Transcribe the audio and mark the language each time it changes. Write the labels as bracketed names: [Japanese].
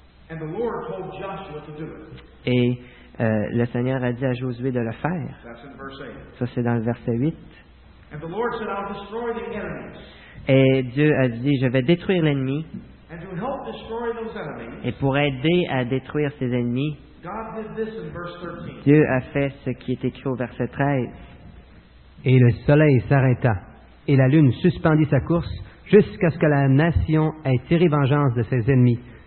[English] And the Lord told Joshua to do it. [French] Et le Seigneur a dit à Josué de le faire. Ça, c'est dans le verset 8. [English] And the Lord said, I'll destroy the enemies. [French] Et Dieu a dit, je vais détruire l'ennemi. [English] And to help destroy those enemies, [French] et pour aider à détruire ses ennemis, [English] God did this in verse 13. [French] Dieu a fait ce qui est écrit au verset 13. Et le soleil s'arrêta, et la lune suspendit sa course, jusqu'à ce que la nation ait tiré vengeance de ses ennemis.